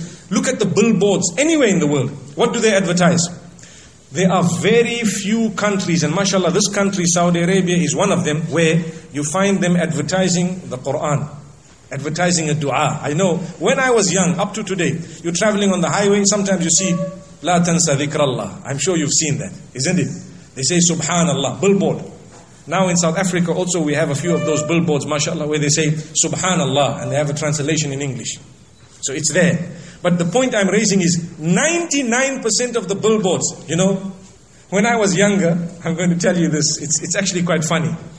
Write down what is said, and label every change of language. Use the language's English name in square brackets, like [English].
[English] Look at the billboards. Anywhere in the world. What do they advertise? There are very few countries. And mashallah, this country, Saudi Arabia, is one of them. Where you find them advertising the Quran. Advertising a dua. I know. When I was young, up to today, you're traveling on the highway. Sometimes you see, [Arabic] لا تنسى ذكر الله. [English] I'm sure you've seen that. Isn't it? They say, subhanallah. Billboard. Now in South Africa also we have a few of those billboards, mashallah, where they say subhanallah, and they have a translation in English. So it's there. But the point I'm raising is 99% of the billboards, you know, when I was younger, I'm going to tell you this, it's actually quite funny.